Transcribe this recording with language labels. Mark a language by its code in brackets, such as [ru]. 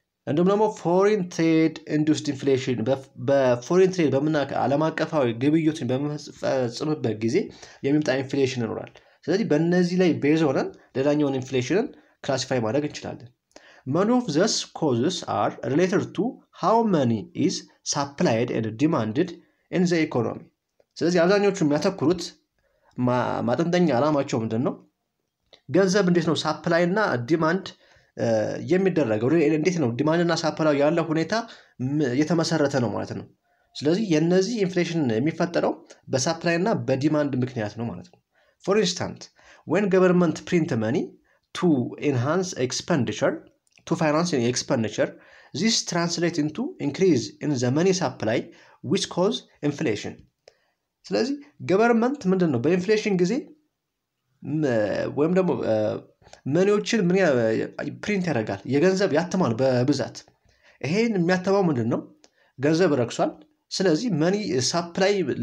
[am] እንደውም ደግሞ foreign trade induced inflation በforeign trade በመናከ ዓለም አቀፋዊ ግብይቶችን በመፈጸምበት ጊዜ የሚመጣ ኢንፍሌሽን ይኖራል። ስለዚህ በእነዚህ ላይ ቤዝ ሆነን ለዳኛውን ኢንፍሌሽንን classify ማድረግ እንችላለን። [en] Many of these causes are related to how money is supplied and demanded in the economy. [am] ስለዚህ አብዛኞቹ የሚያተኩሩት ማጠንጠኛ አላማቸው ምንድነው? ገንዘብ እንዴት ነው supply እና demand የሚደረገው? እንዴት ነው demand እና supply ያለው ሁኔታ የተመሰረተ ነው ማለት ነው። ስለዚህ የነዚህ inflation የሚፈጠረው በsupply እና በdemand ምክንያት ነው ማለት ነው። [en] For instance, when government print money to enhance expenditure to finance any expenditure, this translates into increase in the money supply which causes inflation. [am] ስለዚ government ምንድነው በinflation ጊዜ ወይም ደግሞ መኒዎችን ምን ፕሪንት ያደርጋል የገንዘብ ያተማል በብዛት ይሄን የሚያተማው ምንድነው ገንዘብ ረክሷል ስለዚህ መኒ ሳፕላይ